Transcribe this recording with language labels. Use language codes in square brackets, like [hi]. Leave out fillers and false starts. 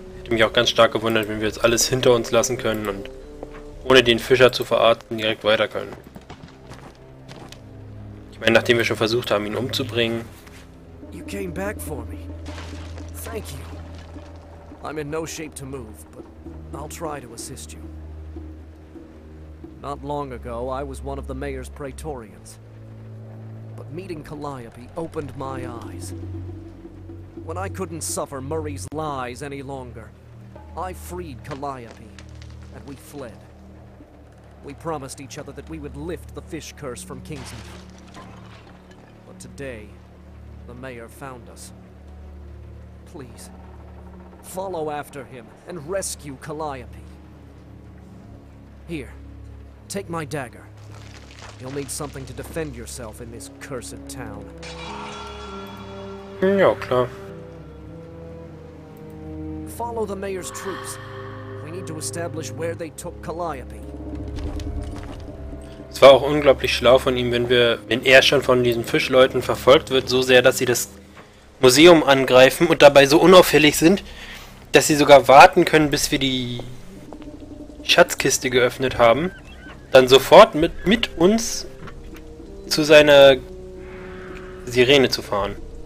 [de] Mich auch ganz stark gewundert, wenn wir jetzt alles hinter uns lassen können und ohne den Fischer zu verarzten direkt weiter können. Ich meine, nachdem wir schon versucht haben, ihn umzubringen. [en] You came back for me. Thank you. I'm in no shape to move, but I'll try to assist you. Not long ago, I was one of the Mayor's Praetorians. But meeting Calliope opened my eyes. When I couldn't suffer Murray's lies any longer, I freed Calliope, and we fled. We promised each other that we would lift the fish curse from Kingsmead. But today, the mayor found us. Please, follow after him and rescue Calliope. Here, take my dagger. You'll need something to defend yourself in this cursed town. [de] Ja, klar. [en] Follow the mayor's troops. We need to establish where they took Calliope. [de] Es war auch unglaublich schlau von ihm, wenn er schon von diesen Fischleuten verfolgt wird, so sehr, dass sie das Museum angreifen und dabei so unauffällig sind, dass sie sogar warten können, bis wir die Schatzkiste geöffnet haben, dann sofort mit uns zu seiner Sirene zu fahren.